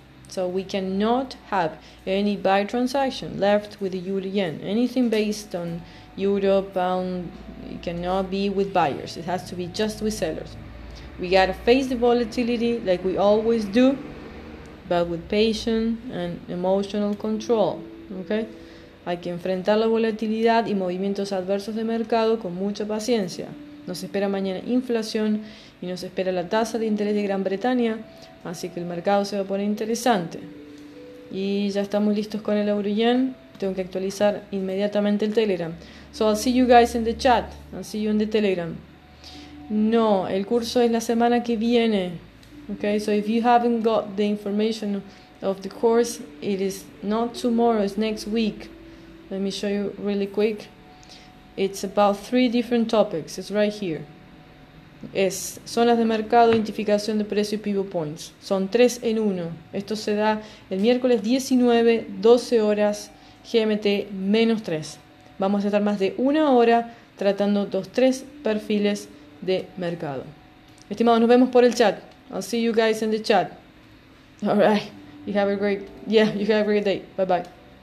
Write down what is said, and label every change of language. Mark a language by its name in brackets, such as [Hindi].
[English] So we cannot have any buy transaction left with the euro yen. Anything based on euro pound cannot be with buyers. It has to be just with sellers. We gotta face the volatility like we always do, but with patience and emotional control, okay? [Spanish] Hay que enfrentar la volatilidad y movimientos adversos de mercado con mucha paciencia. Nos espera mañana inflación y nos espera la tasa de interés de Gran Bretaña, así que el mercado se va a poner interesante. Y ya estamos listos con el euro yen. Tengo que actualizar inmediatamente el Telegram. [English] So I'll see you guys in the chat. I'll see you in the Telegram. [Spanish] No, el curso es la semana que viene. [English] Okay, so if you haven't got the information of the course, it is not tomorrow, it's next week. Let me show you really quick. It's about three different topics. It's right here. [Spanish] Es zonas de mercado, identificación de precio y pivot points. Son tres en uno. Esto se da el miércoles 19, 12 horas, GMT menos 3. Vamos a estar más de una hora tratando dos, tres perfiles de mercado. Estimados, nos vemos por el chat. [English] I'll see you guys in the chat. All right. You have a great day. Bye-bye.